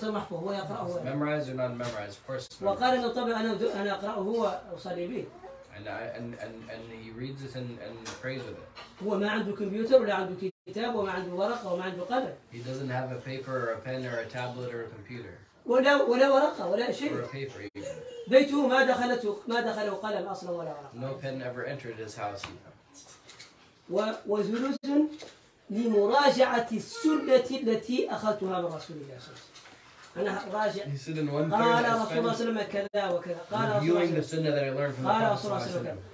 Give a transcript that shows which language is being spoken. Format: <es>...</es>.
<en>memorized or non-memorized, of course. And he reads it and prays with it. He doesn't have a paper or a pen or a tablet or a computer.</en> <ar>ولا ورقة ولا شيء.</ar> <en>Or a paper even.</en> <ar>بيته ما دخله قلم أصلا ولا ورقة.</ar> <en>No pen ever entered his house.</en> <ar>وزلوز لمراجعة السنة التي أخذتها من رسول الله صلى الله عليه وسلم. أنا راجع. قال رسول الله صلى الله عليه وسلم كذا وكذا.</ar> <en>Reviewing the sunnah that I learned from the Prophet</en> <ar>صلى الله عليه وسلم.</ar>